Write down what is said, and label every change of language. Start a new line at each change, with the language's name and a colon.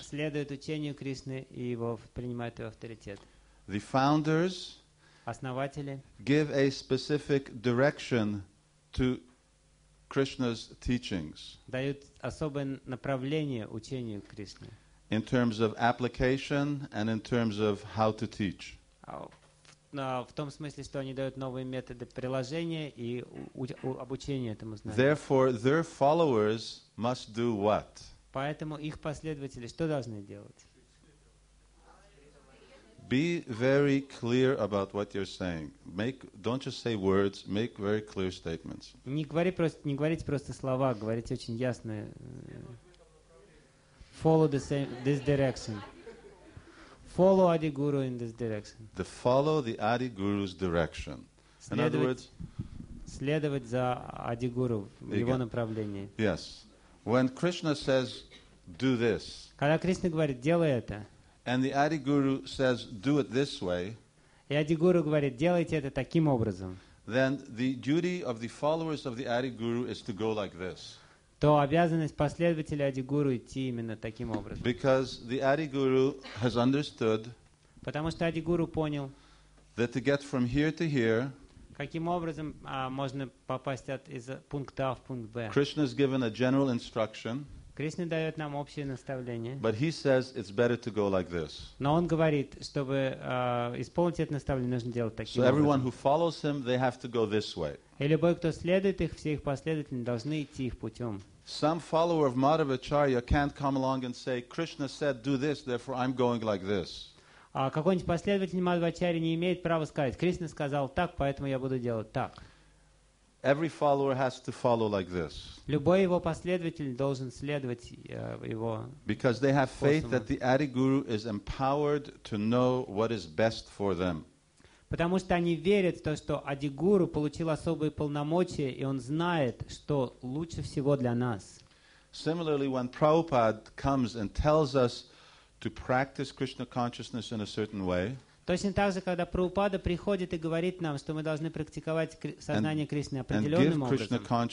Russian: Следует учению Кришны и его принимает его авторитет.
English: The founders
Russian: основатели
English: give a specific direction to Krishna's teachings.
Russian: Дают особое направление учению Кришны.
English: In terms of application and in terms of how to teach.
Russian: В том смысле, что они дают новые методы приложения и обучения этому знанию.
English: Therefore, their followers must do what?
Russian: Поэтому их последователи что должны делать?
English: Be very clear about what you're saying. Don't just say words, make very clear statements.
Russian: Не говорите просто слова, говорите очень ясно.
English: Follow this direction. Follow Adi Guru in this direction. To follow the Adi Guru's direction. In other words,
Russian: следовать за Adi Guru в его направлении.
English: Yes. When Krishna says, "Do this,"
Russian: когда Кришна говорит, делай это,
English: and the Adi Guru says, "Do it this way,"
Russian: и Adi Guru говорит, делайте это таким образом,
English: then the duty of the followers of the Adi Guru is to go like this.
Russian: То обязанность последователя Адигуру идти именно таким образом.
English: Because the Adiguru has understood,
Russian: потому что Адигуру понял,
English: that to get from here to here,
Russian: каким образом можно попасть из пункта А в пункт Б.
English: Krishna has given a general instruction,
Russian: Кришна дает нам общее наставление,
English: but he says it's better to go like this.
Russian: Но он говорит, чтобы исполнить это наставление, нужно делать таким образом.
English: So everyone who follows him, they have to go this way.
Russian: И любой, кто следует их, все их последователи должны идти их путем.
English: Some follower of Madhvacharya can't come along and say, Krishna said, do this, therefore I'm going like this.
Russian: А какой-нибудь последователь Мадхвачарьи не имеет права сказать, Кришна сказал так, поэтому я буду делать так.
English: Every follower has to follow like this.
Russian: Любой его последователь должен следовать его.
English: Because they have faith that the Adi Guru is empowered to know what is best for them.
Russian: Потому что они верят в то, что Адигуру получил особые полномочия, и он знает, что лучше всего для нас.
English: Similarly, when Prabhupada comes and tells us to practice Krishna consciousness in a certain way,
Russian: точно так же, когда Прабхупада приходит и говорит нам, что мы должны практиковать сознание Кришны определенным образом